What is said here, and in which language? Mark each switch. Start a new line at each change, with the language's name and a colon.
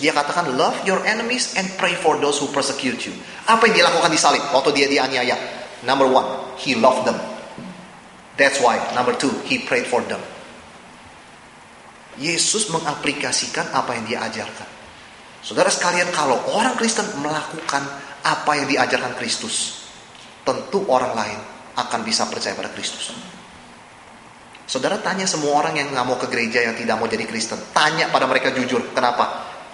Indonesian: Dia katakan,
English: love your enemies and pray for those who persecute you.
Indonesian: Apa yang dia lakukan di salib waktu dia dianiaya?
English: Number one, he loved them. That's why. Number two, he prayed for them.
Indonesian: Yesus mengaplikasikan apa yang dia ajarkan. Saudara sekalian, kalau orang Kristen melakukan apa yang diajarkan Kristus, tentu orang lain akan bisa percaya pada Kristus. Saudara tanya semua orang yang gak mau ke gereja, yang tidak mau jadi Kristen. Tanya pada mereka jujur, kenapa?